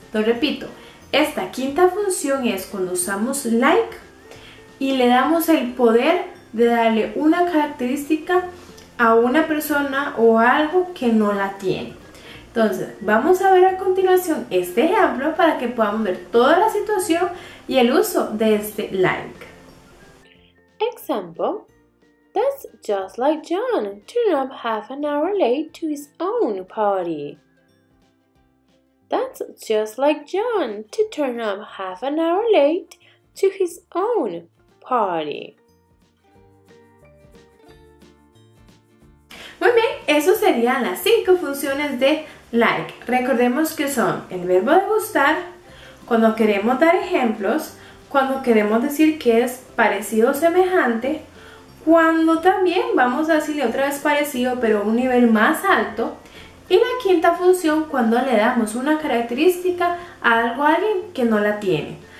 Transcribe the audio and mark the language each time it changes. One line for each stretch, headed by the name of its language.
Spanish: Entonces, repito, esta quinta función es cuando usamos like y le damos el poder de darle una característica a una persona o algo que no la tiene. Entonces, vamos a ver a continuación este ejemplo para que podamos ver toda la situación y el uso de este like.
English: Example: That's just like John, turning up half an hour late to his own party. That's just like John to turn up half an hour late to his own party.
Spanish: Muy bien, eso serían las 5 funciones de like. Recordemos que son el verbo de gustar, cuando queremos dar ejemplos, cuando queremos decir que es parecido o semejante, cuando también vamos a decirle otra vez parecido pero a un nivel más alto, y la quinta función cuando le damos una característica a algo, a alguien que no la tiene.